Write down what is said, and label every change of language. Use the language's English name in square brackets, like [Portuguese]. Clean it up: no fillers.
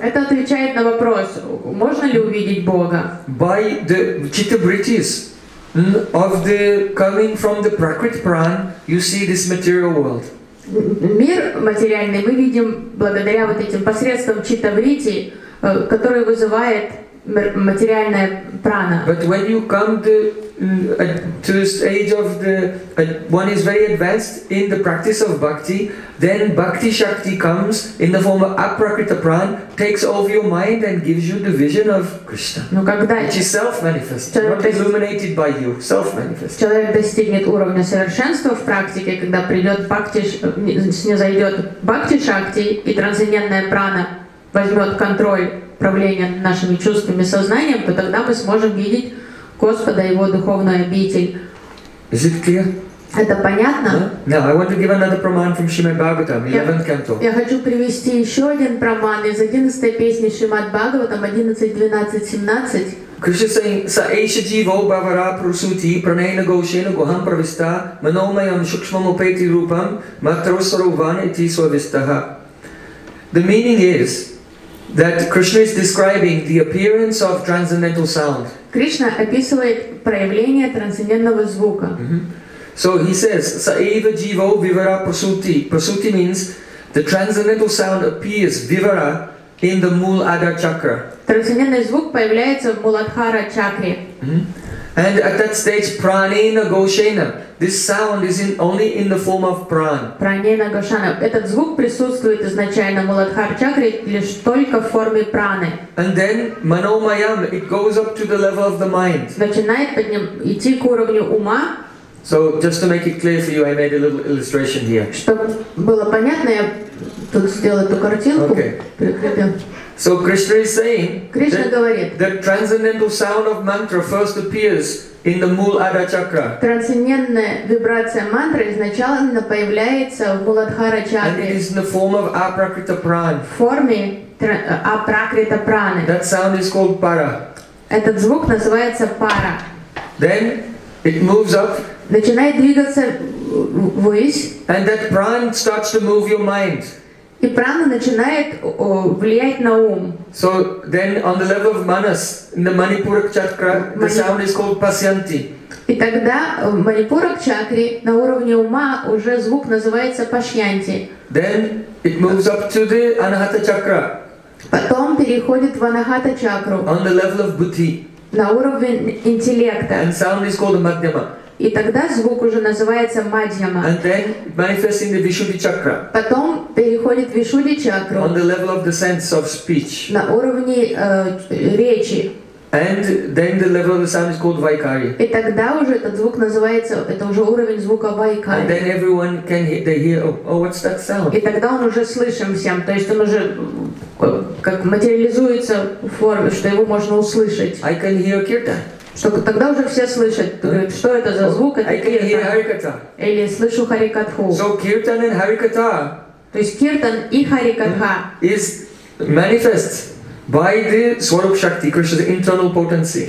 [Russian] Это отвечает на вопрос, можно ли увидеть Бога? [English] By the chitta-vrittis of the coming from the prakriti pran, you see this material world. [Russian] Мир материальный мы видим благодаря вот этим посредством чита-вритти, который вызывает материальная прана. [English] But when you come to the stage of the one is very advanced in the practice of bhakti, then bhakti shakti comes in the form of aprakrita prana, takes over your mind and gives you the vision of Krishna, which is self-manifest, not illuminated by you, self-manifest. [Russian] Человек достигнет уровня совершенства в практике, когда придет бхакти, снизойдет бхакти шакти и трансцендентная прана возьмет контроль управления нашими чувствами, сознанием, то тогда мы сможем видеть Господа, Его духовную обитель. [English] Is it clear? [Russian] Это понятно? [English] Yeah? No, I want to give another praman from Shrimad Bhagavatam, 11th canto. [Russian] Я хочу привести еще один праман из 11 песни Шримад Бхагаватам, 11.12.17. [English] Krishna saying, [Sanskrit] Sa esha jiva bhavara prasuti pranena gosena guham pravista manomayam shukshmam upeti rupam matrosaro vaniti suavistaha. [English] The meaning is that Krishna is describing the appearance of transcendental sound. [Russian] Krishna описывает проявление трансцендентного звука. [English] So he says, [Sanskrit] Saiva jivo vivara prasuti. [English] Prasuti means the transcendental sound appears vivara in the Mooladhara chakra. [Russian] Трансцендентный звук появляется в Mooladhara chakra. [English] And at that stage, [Sanskrit] pranena goshena. [English] This sound is in only in the form of prana. [Sanskrit] Pranena goshena. [Russian] Этот звук присутствует изначально в Mooladhara chakra лишь только в форме праны. [English] And then manomayam, it goes up to the level of the mind. [Russian] Начинает идти к уровню ума. [English] So just to make it clear for you, I made a little illustration here. [Russian] Чтобы было понятно, я тут сделал эту картинку. [English] Okay. So Krishna is saying Krishna that [Russian] говорит, [English] the transcendental sound of mantra first appears in the Mooladhara chakra. [Russian] Трансцендентная вибрация мантры изначально появляется в Mooladhara chakra. [English] And it is in the form of aprakrita prana. [Russian] В форме апракрита праны. [English] That sound is called para. [Russian] Этот звук называется para. [English] Then it moves up. [Russian] Начинает двигаться ввысь. [English] And that prana starts to move your mind. [Russian] И прана начинает влиять на ум. [English] So then on the level of manas, in the Manipurak chakra, the sound is called pasyanti. [Russian] И тогда в Манипурак чакре на уровне ума уже звук называется пашьянти. [English] Then it moves up to the Anahata chakra. [Russian] Потом переходит в Анахата чакру. [English] On the level of buddhi. [Russian] На уровень интеллекта. [English] And sound is called madhyama. [Russian] И тогда звук уже называется мадьяма. [English] And then manifests in the Вишудхи чакра. [Russian] Потом переходит в Вишудхи чакру. [English] On the level of the sense of speech. [Russian] На уровне речи. [English] And then the level of the sound is called Vaikari. [Russian] И тогда уже этот звук называется, это уже уровень звука Vaikari. [English] And then everyone can hear, they hear, oh, what's that sound? [Russian] И тогда он уже слышим всем, то есть он уже как материализуется в форме, что его можно услышать. [English] I can hear kirtan. [Russian] Что тогда уже все слышат, говорят, что это за звук, это кирта. Или слышу харикатху. [English] So kirtan and harikata. [Russian] То есть киртан и харикатха. [English] Is manifest by the swarup shakti, Krishna's internal potency.